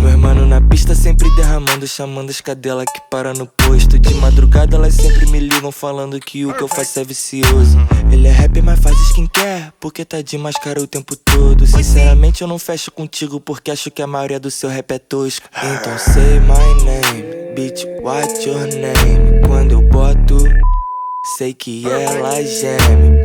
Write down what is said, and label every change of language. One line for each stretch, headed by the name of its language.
Portuguese: Meu irmão na pista sempre derramando, chamando as cadelas que para no posto. De madrugada elas sempre me ligam falando que o que eu faço é vicioso. Ele é rapper, mas faz skincare, porque tá de máscara o tempo todo. Sinceramente eu não fecho contigo, porque acho que a maioria do seu rap é tosco.
English: Então say my name, bitch, what's your name?
Portuguese: Quando eu boto, sei que ela geme.